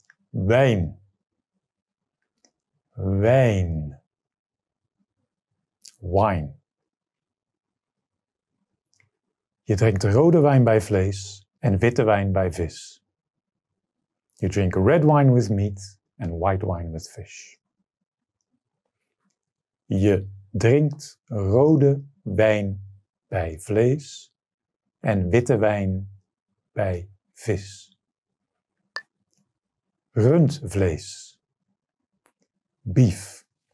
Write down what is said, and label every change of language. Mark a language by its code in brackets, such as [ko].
[nl] Wijn. Wijn. [en] Wine. [nl] Je drinkt rode wijn bij vlees en witte wijn bij vis. [en] You drink red wine with meat and white wine with fish. [nl] Je drinkt rode wijn bij vlees en witte wijn bij vis. Rundvlees. [en] Beef.